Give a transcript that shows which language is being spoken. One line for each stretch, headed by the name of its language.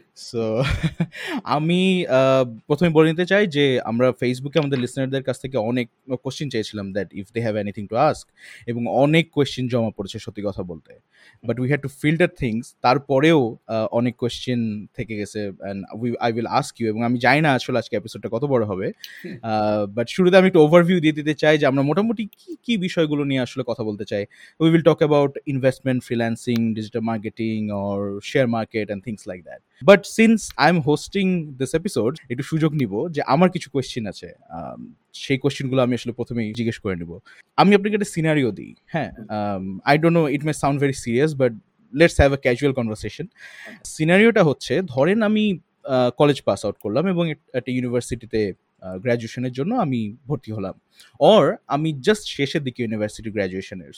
Bangla: So আমি প্রথমে বলে নিতে চাই যে আমরা ফেসবুকে আমাদের লিসনারদের কাছ থেকে অনেক কোয়েশ্চেন চেয়েছিলাম,
English: that if they have anything to ask,
Bangla: এবং অনেক কোয়েশ্চেন জমা পড়েছে সত্যি কথা বলতে,
English: But we had to filter things.
Bangla: তারপরেও অনেক কোয়েশ্চেন থেকে গেছে
English: and I will ask you,
Bangla: এবং আমি জানি না আসলে আজকে এপিসোডটা কত বড় হবে, বাট শুরুতে আমি একটু ওভারভিউ দিয়ে দিতে চাই যে আমরা মোটামুটি কী কী বিষয়গুলো নিয়ে আসলে কথা বলতে চাই।
English: We will talk about investment, freelancing, digital marketing or share market and things like that. But since I'm hosting this episode,
Bangla: একটু সুযোগ নিব যে আমার কিছু কোয়েশ্চেন আছে, সেই কোয়েশ্চেনগুলো আমি আসলে প্রথমে জিজ্ঞেস করে নিব। আমি আপনাকে একটা সিনারিও দিই, হ্যাঁ,
English: I don't know, it may sound very serious, but let's have a casual conversation.
Bangla: সিনারিওটা হচ্ছে, ধরেন আমি কলেজ পাস আউট করলাম এবং একটা ইউনিভার্সিটিতে গ্র্যাজুয়েশনের জন্য আমি ভর্তি হলাম, অর আমি জাস্ট শেষের দিকে ইউনিভার্সিটি গ্র্যাজুয়েশনের।